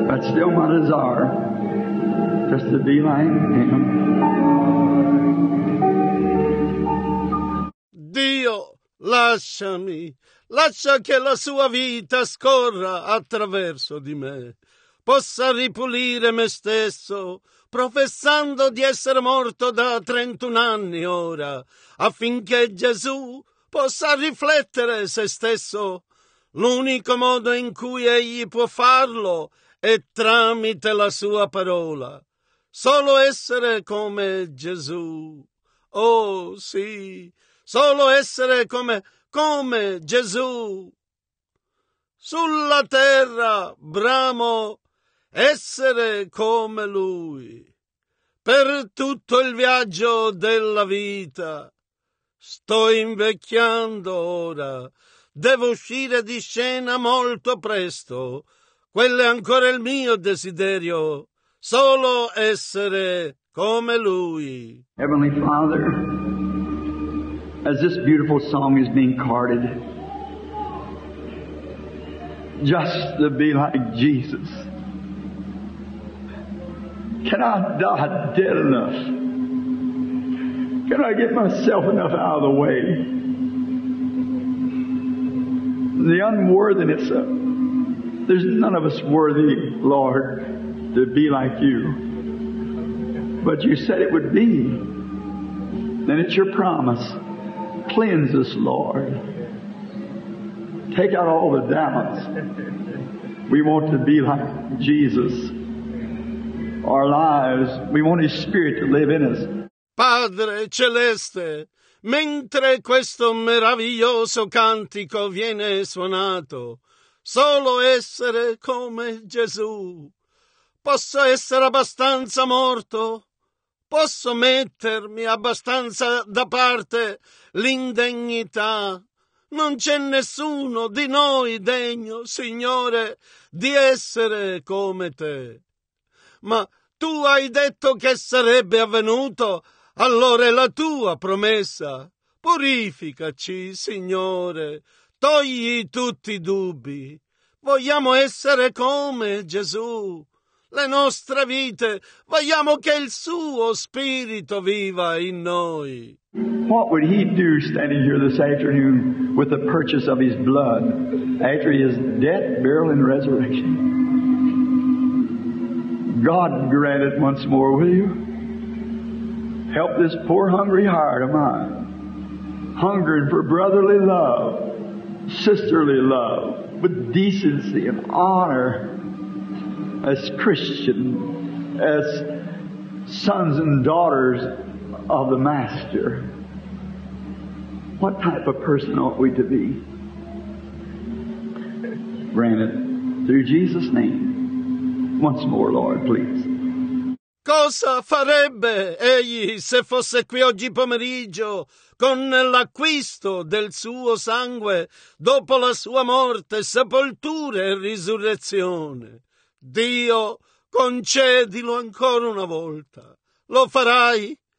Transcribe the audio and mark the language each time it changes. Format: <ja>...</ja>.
<en>still my desire just to be like him.</en> <it>Dio, lasciami, lascia che la sua vita scorra attraverso di me. Possa ripulire me stesso, professando di essere morto da 31 anni ora, affinché Gesù possa riflettere se stesso. L'unico modo in cui egli può farlo è tramite la sua parola. Solo essere come Gesù. Oh sì, solo essere come Gesù. Sulla terra, bramo, essere come Lui. Per tutto il viaggio della vita. Sto invecchiando ora. Devo uscire di scena molto presto. Quello è ancora il mio desiderio. Solo essere come Lui.</it> <en>Heavenly Father, as this beautiful song is being carted, just to be like Jesus. Can I die dead enough? Can I get myself enough out of the way? The unworthiness of, there's none of us worthy, Lord, to be like you. But you said it would be. And it's your promise. Cleanse us, Lord. Take out all the doubts. We want to be like Jesus. Our lives, we want His Spirit to live in us.</en> <it>Padre Celeste, mentre questo meraviglioso cantico viene suonato, solo essere come Gesù. Posso essere abbastanza morto? Posso mettermi abbastanza da parte l'indegnità? Non c'è nessuno di noi degno, Signore, di essere come Te. Ma Tu hai detto che sarebbe avvenuto, allora è la Tua promessa. Purificaci, Signore, togli tutti i dubbi. Vogliamo essere come Gesù. Le nostre vite, vogliamo che il Suo Spirito viva in noi.</it> <en>What would He do standing here this afternoon with the purchase of His blood after His death, burial, and resurrection? God grant it once more, will you? Help this poor hungry heart of mine, hungering for brotherly love, sisterly love, with decency and honor as Christian, as sons and daughters of the Master. What type of person ought we to be? Grant it through Jesus' name. Once more, Lord, please.</en> <it>Cosa farebbe egli se fosse qui oggi pomeriggio con l'acquisto del suo sangue dopo la sua morte, sepoltura e risurrezione? Dio, concedilo ancora una volta. Lo farai?</it>